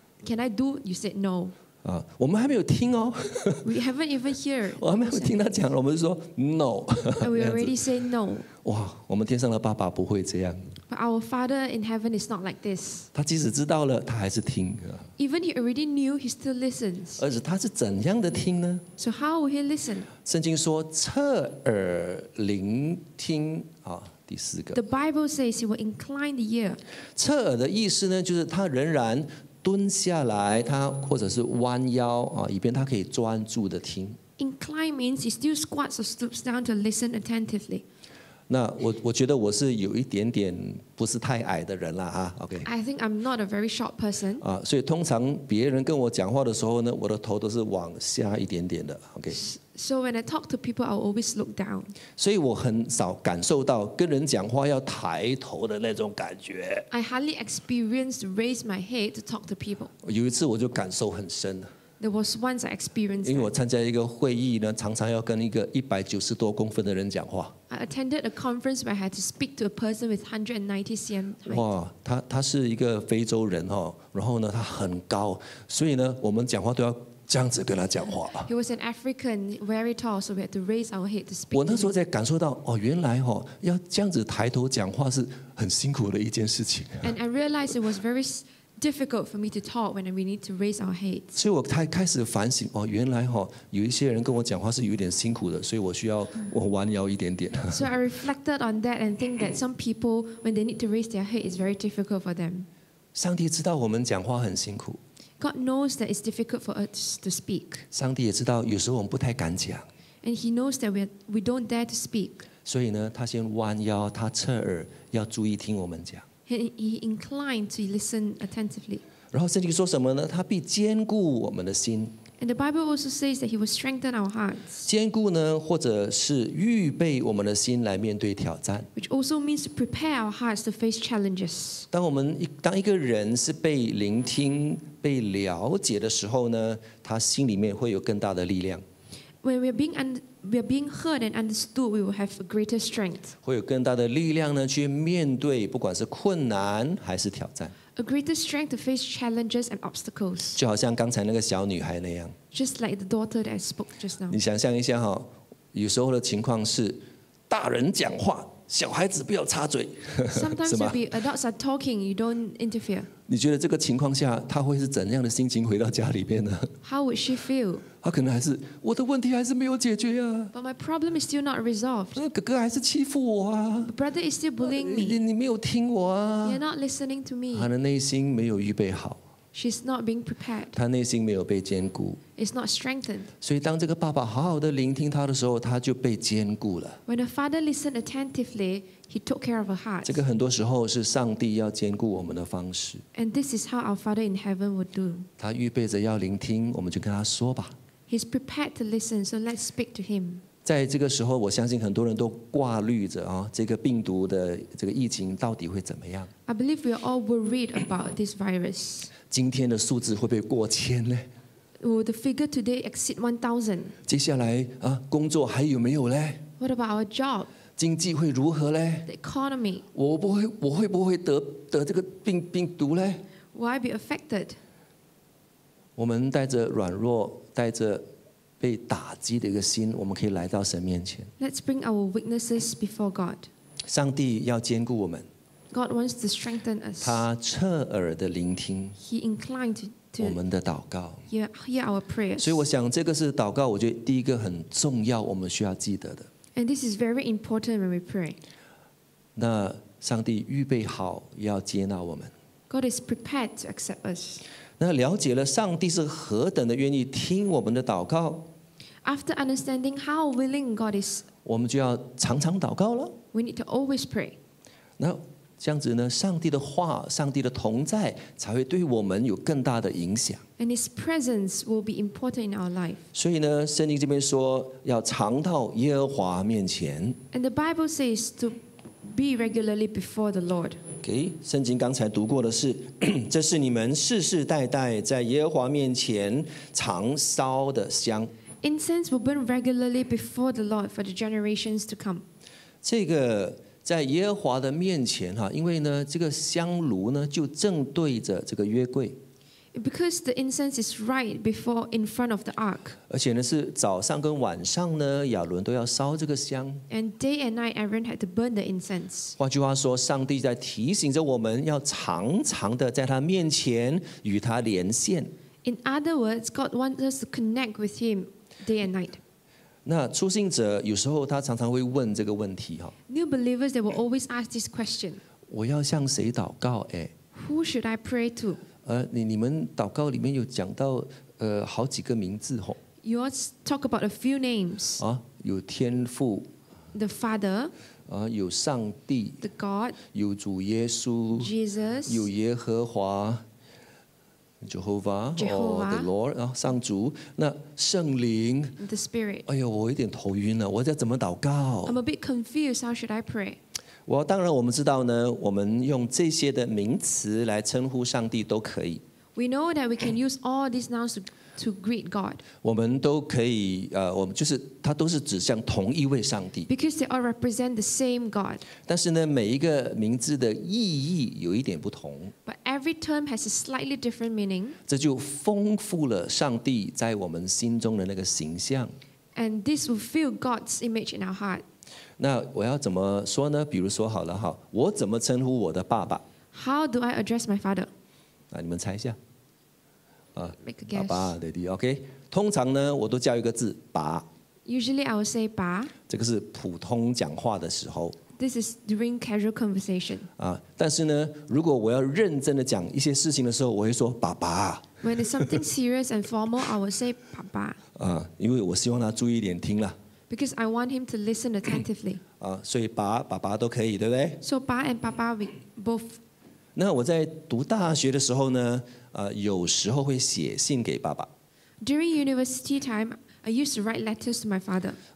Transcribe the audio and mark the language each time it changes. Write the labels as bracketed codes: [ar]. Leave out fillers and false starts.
[en] Can I do?" You said no. [zh] 啊，我们还没有听哦。 [en] We haven't even heard. [zh] 我还没有听他讲，我们就说 no. [en] And we already say no. [zh] 哇，我们天上的爸爸不会这样。 [en] But our father in heaven is not like this. [zh] 他即使知道了，他还是听。 [en] Even he already knew, he still listens. [zh] 而且他是怎样的听呢 [en] ？So how will he listen? [zh] 圣经说侧耳聆听啊。第四个 [en] The Bible says he will incline the ear. [zh] 侧耳的意思呢，就是他仍然蹲下来，他或者是弯腰啊，以便他可以专注的听。 [en] Incline means he still squats or stoops down to listen attentively. [zh] 那我觉得我是有一点点不是太矮的人了哈。 [en] OK. I think I'm not a very short person. [zh] 啊，所以通常别人跟我讲话的时候呢，我的头都是往下一点点的。 [en] OK. So when I talk to people, I'll always look down. [zh] 所以我很少感受到跟人讲话要抬头的那种感觉。 [en] I hardly experienced raise my head to talk to people. [zh] 有一次我就感受很深。 [en] There was once I experienced. [zh] 因为我参加一个会议呢，常常要跟一个190多公分的人讲话。 [en] I attended a conference where I had to speak to a person with 190 cm. [zh] 哇，他是一个非洲人哦，然后呢，他很高，所以呢，我们讲话都要这样子跟他讲话。 [en] He was an African, very tall, so we had to raise our head to speak. [zh] 我那时候在感受到，哦，原来哦，要这样子抬头讲话是很辛苦的一件事情。 [en] And I realized it was very difficult for me to talk when we need to raise our heads. [zh] 所以我开始反省，哦，原来哦，有一些人跟我讲话是有点辛苦的，所以我需要我弯腰一点点。 [en] So I reflected on that and think that some people when they need to raise their head is very difficult for them. [zh] 上帝知道我们讲话很辛苦。 [en] God knows that it's difficult for us to speak. [zh] 上帝也知道有时候我们不太敢讲。 [en] And he knows that we don't dare to speak. [zh] 所以呢，他先弯腰，他侧耳，要注意听我们讲。 [en] He inclined to listen attentively. [zh] 然后圣经说什么呢？他必坚固我们的心。 [en] And the Bible also says that he will strengthen our hearts. [zh] 坚固呢，或者是预备我们的心来面对挑战。 [en] Which also means to prepare our hearts to face challenges. [zh] 当一个人是被聆听、被了解的时候呢，他心里面会有更大的力量。 [en] When we are being heard and understood, we will have a greater strength. [zh] 会有更大的力量呢，去面对不管是困难还是挑战。 [en] A greater strength to face challenges and obstacles. [zh] 就好像刚才那个小女孩那样。 [en] Just like the daughter that I spoke just now. [zh] 你想象一下哈，有时候的情况是，大人讲话，小孩子不要插嘴。 [en] Sometimes it'll be adults are talking, you don't interfere. [zh] 你觉得这个情况下，她会是怎样的心情回到家里边呢 [en] ？How would she feel? [zh] 她可能还是我的问题还是没有解决啊。 [en] But my problem is still not resolved. [zh] 哥哥还是欺负我啊。 [en] But brother is still bullying me. [zh] 你没有听我啊。 [en] You're not listening to me. [zh] 她的内心没有预备好。 [en] She's not being prepared. [zh] 她内心没有被坚固。 [en] It's not strengthened. [zh] 所以当这个爸爸好好的聆听她的时候，她就被坚固了。 [en] When a father listened attentively, he took care of her heart. [zh] 这个很多时候是上帝要坚固我们的方式。 [en] And this is how our Father in heaven would do. [zh] 她预备着要聆听，我们就跟她说吧。 [en] He's prepared to listen, so let's speak to him. [zh] 在这个时候，我相信很多人都挂虑着啊，这个病毒的这个疫情到底会怎么样 [en] ？I believe we are all worried about this virus. [zh] 今天的数字会不会过千呢 [en] ？Will the figure today exceed 1,000? [zh] 接下来啊，工作还有没有嘞 [en] ？What about our job? [zh] 经济会如何嘞 [en] ？The economy. [zh] 我会不会得这个病毒嘞 [en] ？Will I be affected? [zh] 我们带着软弱，带着被打击的一个心，我们可以来到神面前。 [en] Let's bring our weaknesses before God. [zh] 上帝要坚固我们。 [en] God wants to strengthen us. [zh] 他侧耳的聆听。 [en] He inclined to [zh] 我们的祷告。 [en] Hear our prayers. [zh] 所以我想这个是祷告，我觉得第一个很重要，我们需要记得的。 [en] And this is very important when we pray. [zh] 那上帝预备好要接纳我们。 [en] God is prepared to accept us. [zh] 那了解了上帝是何等的愿意听我们的祷告。 [en] After understanding how willing God is. [zh] 我们就要常常祷告了。 [en] We need to always pray. [zh] 那这样子呢，上帝的话，上帝的同在才会对我们有更大的影响。 [en] And his presence will be important in our life. [zh] 所以呢，圣经这边说要常到耶和华面前。 [en] And the Bible says to be regularly before the Lord. [zh] Okay, 圣经刚才读过的是，这是你们世世代代在耶和华面前常烧的香。 [en] Incense will burn regularly before the Lord for the generations to come. [zh] 这个在耶和华的面前，因为呢，这个香炉呢就正对着这个约柜。 [en] Because the incense is right before in front of the ark. [zh] 而且呢，是早上跟晚上呢，亚伦都要烧这个香。 [en] And day and night, Aaron had to burn the incense. [zh] 换句话说，上帝在提醒着我们要常常的在他面前与他连线。 [en] In other words, God wants us to connect with him day and night. [zh] 那初信者有时候他常常会问这个问题哈。 [en] New believers, they will always ask this question. [zh] 我要向谁祷告？ [en] Who should I pray to? [zh] 你们祷告里面有讲到好几个名字吼。 [en] You all talk about a few names. [zh] 啊，有天父。 [en] The Father. [zh] 啊，有上帝。 [en] The God. [zh] 有主耶稣。 [en] Jesus. [zh] 有耶和华。 [en] Jehovah, the Lord, [zh] 上主，那圣灵 [en] ，the Spirit。 [zh] 哎呦，我有点头晕了，我要怎么祷告 [en] ？I'm a bit confused. How should I pray? [zh] 我当然我们知道呢，我们用这些的名词来称呼上帝都可以。 [en] We know that we can use all these nouns to greet God. [zh] 我们都可以，我们就是它都是指向同一位上帝。 [en] Because they all represent the same God. [zh] 但是呢，每一个名字的意义有一点不同。 [en] But every term has a slightly different meaning. [zh] 这就丰富了上帝在我们心中的那个形象。 [en] And this will fill God's image in our heart. [zh] 那我要怎么说呢？比如说好了，好，我怎么称呼我的爸爸 [en] ？How do I address my father? [zh] 你们猜一下， [en] Make a guess. [zh] 爸爸、爹地 ，OK。通常呢，我都叫一个字，爸。 [en] Usually I will say 爸。 [zh] 这个是普通讲话的时候。 [en] This is during casual conversation. [zh] 但是呢，如果我要认真的讲一些事情的时候，我会说爸爸。 [en] When it's something serious and formal, I will say 爸爸。 [zh] 因为我希望他注意一点听了。 [en] Because I want him to listen attentively. [zh] 所以爸爸都可以，对不对 [en] ？So 爸 and 爸爸 we both. [zh] 那我在读大学的时候呢，有时候会写信给爸爸。 [en] During university time, I used to write letters to my father.